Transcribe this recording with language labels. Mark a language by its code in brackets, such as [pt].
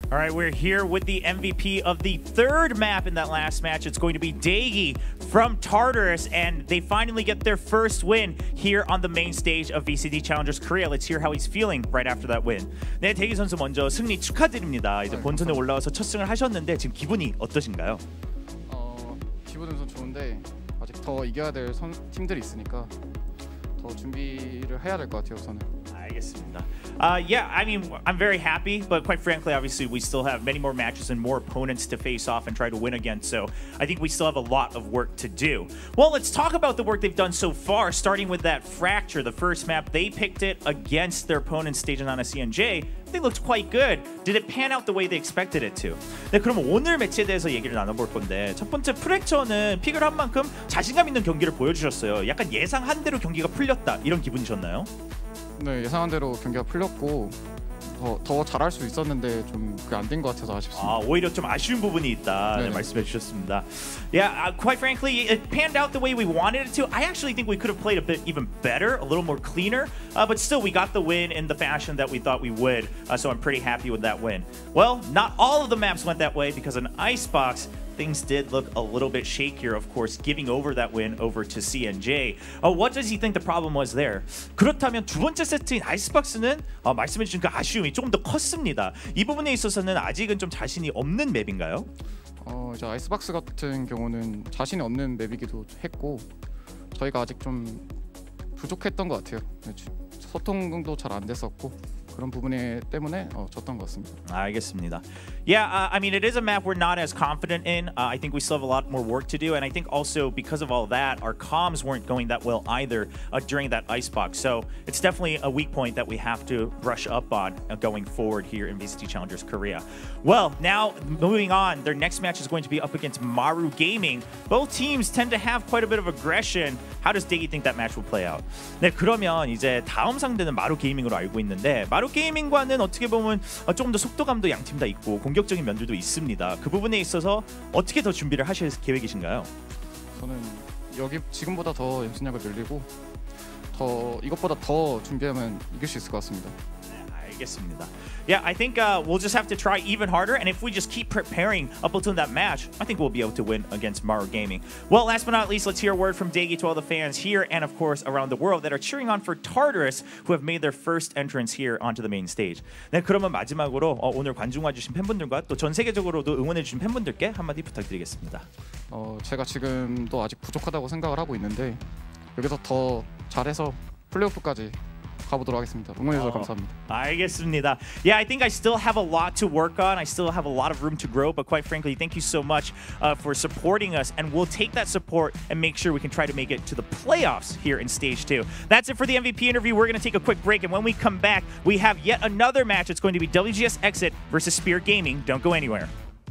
[en] All right, we're here with the MVP of the third map in that last match. It's going to be DaeGi from Tartarus, and they finally get their first win here on the main stage of VCT Challengers Korea. Let's hear how he's feeling right after that win. [ko] 네, 대기 선수 먼저 승리 축하드립니다. 이제 본선에 올라와서 첫 승을 하셨는데 지금 기분이 어떠신가요? 기분은 좋은데 아직 더 이겨야 될 팀들이 있으니까 더 준비를 해야 될 것 같아요, 우선은. 알겠습니다. [en] Yeah, I mean, I'm very happy, but quite frankly, obviously, we still have many more matches and more opponents to face off and try to win against, so I think we still have a lot of work to do. Well, let's talk about the work they've done so far, starting with that Fracture, the first map. They picked it against their opponent's stage on a CNJ. They looked quite good. Did it pan out the way they expected it to? [ko] 네, 그럼 오늘 매치에 대해서 얘기를 나눠볼 건데 첫 번째 프랙처는 픽을 한 만큼 자신감 있는 경기를 보여주셨어요. 약간 예상한 대로 경기가 풀렸다, 이런 기분이셨나요? 네, 예상한 대로 경기가 풀렸고 더 잘할 수 있었는데 좀 그게 안 된 것 같아서 아쉽습니다. 아, 오히려 좀 아쉬운 부분이 있다. 네, 말씀해 주셨습니다. [en] Yeah, quite frankly, it panned out the way we wanted it to. I actually think we could have played a bit even better, a little more cleaner. But still, we got the win in the fashion that we thought we would. So I'm pretty happy with that win. Well, not all of the maps went that way because an icebox, things did look a little bit shakier, of course, giving over that win over to CNJ. What does he think the problem was there? [ko] 그렇다면 두 번째 세트인 아이스박스는 말씀해 주신 그 아쉬움이 조금 더 컸습니다. 이 부분에 있어서는 아직은 좀 자신이 없는 맵인가요? 이제 아이스박스 같은 경우는 자신이 없는 맵이기도 했고 저희가 아직 좀 부족했던 것 같아요. 소통도 잘 안 됐었고 그런 부분에 때문에 졌던 것 같습니다. 알겠습니다. [en] Yeah, I mean, it is a map we're not as confident in. I think we still have a lot more work to do. And I think also because of all that, our comms weren't going that well either during that icebox. So it's definitely a weak point that we have to brush up on going forward here in VCT Challengers Korea. Well, now moving on, their next match is going to be up against Maru Gaming. Both teams tend to have quite a bit of aggression. How does DaeGi think that match will play out? [ko] 네, 그러면 이제 다음 상대는 마루 게이밍으로 알고 있는데 마루 게이밍과는 어떻게 보면 조금 더 속도감도 양 팀 다 있고 공격적인 면들도 있습니다. 그 부분에 있어서 어떻게 더 준비를 하실 계획이신가요? 저는 여기 지금보다 더 연습량을 늘리고 더 이것보다 더 준비하면 이길 수 있을 것 같습니다. 알겠습니다. [en] Yeah, I think we'll just have to try even harder, and if we just keep preparing up until that match, I think we'll be able to win against Maru Gaming. Well, last but not least, let's hear a word from DaeGi to all the fans here and, of course, around the world that are cheering on for Tartarus, who have made their first entrance here onto the main stage. [ko] 네, 그러면 마지막으로 오늘 관중 와주신 팬분들과 또 전 세계적으로도 응원해주신 팬분들께 한마디 부탁드리겠습니다. 제가 지금도 아직 부족하다고 생각을 하고 있는데 여기서 더 잘해서 플레이오프까지 가보도록 하겠습니다. 응원해주셔서 감사합니다. 알겠습니다. [en] Yeah, I think I still have a lot to work on. I still have a lot of room to grow, but quite frankly, thank you so much for supporting us, and we'll take that support and make sure we can try to make it to the playoffs here in Stage 2. That's it for the MVP interview. We're going to take a quick break, and when we come back, we have yet another match. It's going to be WGS Exit versus Spirit Gaming. Don't go anywhere.